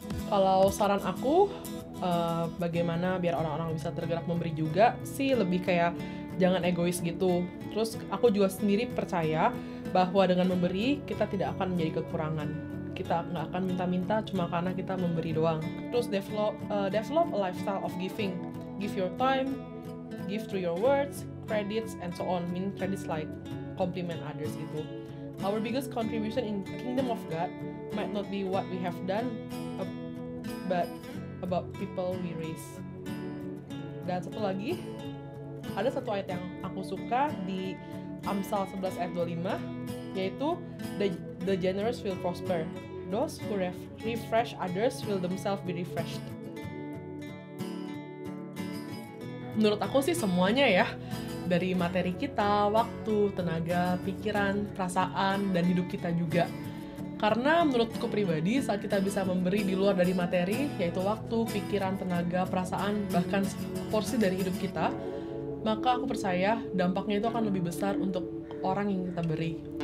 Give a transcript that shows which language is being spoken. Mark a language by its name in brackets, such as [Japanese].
[Indonesian] Kalau saran aku, bagaimana biar orang-orang bisa tergerak memberi juga sih, lebih kayak jangan egois gitu. Terus aku juga sendiri percaya bahwa dengan memberi kita tidak akan menjadi kekurangan. Kita nggak akan minta-minta cuma karena kita memberi doang. [English] Terus develop a lifestyle of giving. Give your time, give through your words, credits, and so on. Mean credits like compliment others [Indonesian] gitu. [English] Our biggest contribution in kingdom of God might not be what we have done, but about people we raise. [Indonesian] Dan satu lagi, ada satu ayat yang aku suka di Amsal 11 ayat 25, yaitu [English] the generous will prosper. Those who refresh others will themselves be refreshed. [Indonesian] Menurut aku sih semuanya ya, dari materi kita, waktu, tenaga, pikiran, perasaan, dan hidup kita juga. Karena menurutku pribadi, saat kita bisa memberi di luar dari materi, yaitu waktu, pikiran, tenaga, perasaan, bahkan porsi dari hidup kita, maka aku percaya dampaknya itu akan lebih besar untuk orang yang kita beri.